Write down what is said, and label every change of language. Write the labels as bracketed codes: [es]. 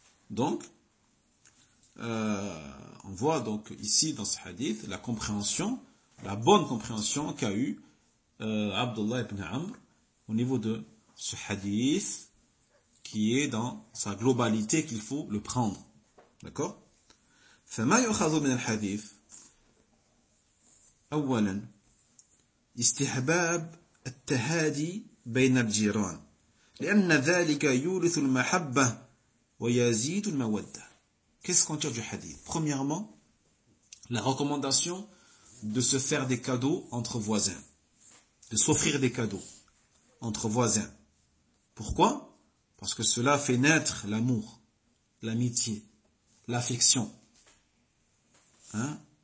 [fr] Donc, on voit donc ici dans ce hadith la compréhension, la bonne compréhension qu'a eu Abdullah ibn Amr au niveau de ce hadith qui est dans sa globalité qu'il faut le prendre. D'accord ? [ar] فما يؤخذ من الحديث أولا استحباب التهادي بين الجيران لأن ذلك يورث المحبة ويزيد المودة. [fr] Qu'est-ce qu'on tire du hadith? Premièrement, la recommandation de se faire des cadeaux entre voisins, de s'offrir des cadeaux entre voisins. Pourquoi? Parce que cela fait naître l'amour, l'amitié, l'affection. Hein?